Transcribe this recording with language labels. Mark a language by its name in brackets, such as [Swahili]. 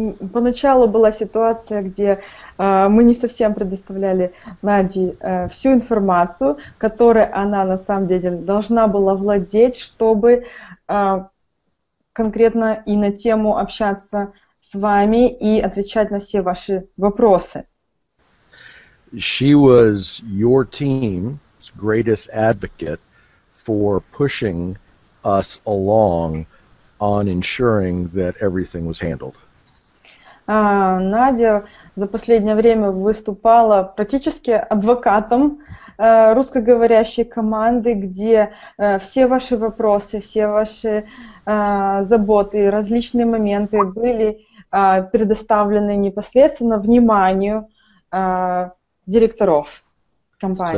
[Russian] Поначалу была ситуация, где мы не совсем предоставляли Наде всю информацию, которой она на самом деле должна была владеть, чтобы конкретно и на тему общаться с вами и отвечать на все ваши вопросы. [English] She was your team's greatest advocate for pushing us along on ensuring that everything was handled. [Russian] Надя за последнее время выступала практически адвокатом русскоговорящей команды, где все ваши вопросы, все ваши заботы, различные моменты были предоставлены непосредственно вниманию директоров компании.